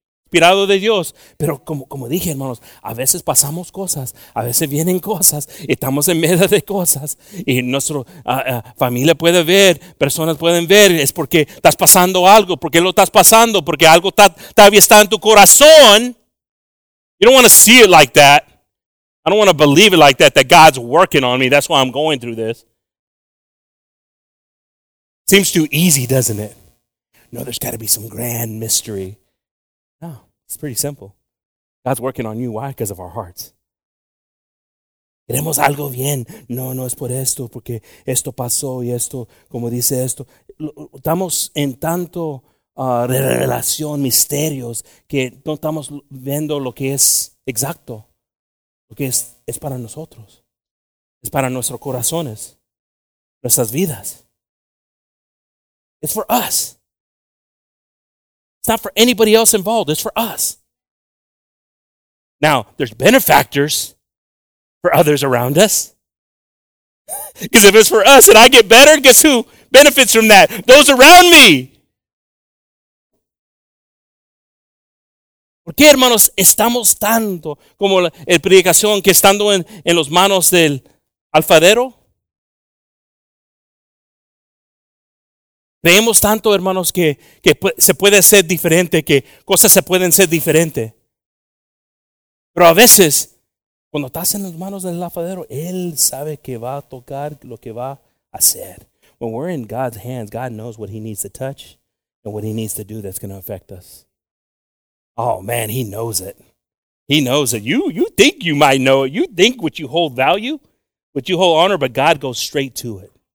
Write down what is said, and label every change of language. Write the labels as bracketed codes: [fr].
[es] Inspirado de Dios, pero como dije, hermanos, a veces pasamos cosas, a veces vienen cosas, estamos en medio de cosas y nuestra familia puede ver, personas pueden ver, es porque estás pasando algo, porque lo estás pasando, porque algo todavía está en tu corazón. [en] You don't want to see it like that. I don't want to believe it like that God's working on me. That's why I'm going through this. Seems too easy, doesn't it? No, there's got to be some grand mystery. No, it's pretty simple. God's working on you. Why? Because of our hearts. [es] Queremos algo bien. No, no, es por esto, porque esto pasó y esto, como dice esto. Estamos en tanto revelación, misterios, que no estamos viendo lo que es exacto. Lo que es para nosotros. Es para nuestros corazones. Nuestras vidas. [en] It's for us. It's not for anybody else involved. It's for us. Now, there's benefactors for others around us. Because if it's for us and I get better, guess who benefits from that? Those around me. [es] ¿Por qué, hermanos, estamos tanto como la predicación que estando en las manos del alfarero? Creemos tanto, hermanos, que se puede ser diferente, que cosas se pueden ser diferente. Pero a veces, cuando estás en las manos del alfarero, él sabe que va a tocar lo que va a hacer. [en] When we're in God's hands, God knows what he needs to touch and what he needs to do that's going to affect us. Oh, man, he knows it. He knows it. You think you might know it. You think what you hold value, what you hold honor, but God goes straight to it.